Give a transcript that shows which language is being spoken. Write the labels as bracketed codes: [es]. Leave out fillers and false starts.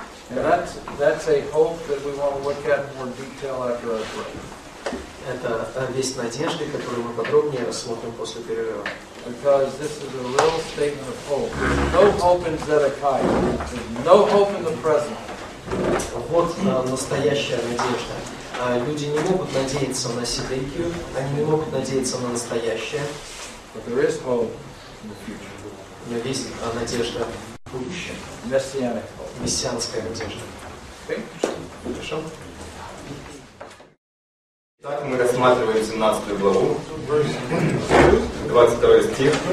[en] And that's a hope that we want to look at in more detail after our break. [ru] Это весть надежды, которую мы подробнее рассмотрим после перерыва. [en] Because this is a real statement of hope. No hope in Zedekiah. No hope in the present. [ru] Вот настоящая надежда. Люди не могут надеяться на Сидекию. Они не могут надеяться на настоящее. [en] But there is hope in the future. [ru] Но есть надежда в будущем. [en] Messianic hope. [ru] Мессианская надежда. [en] Okay. [ru] Хорошо. Итак, мы рассматриваем 17 главу, 22 стих.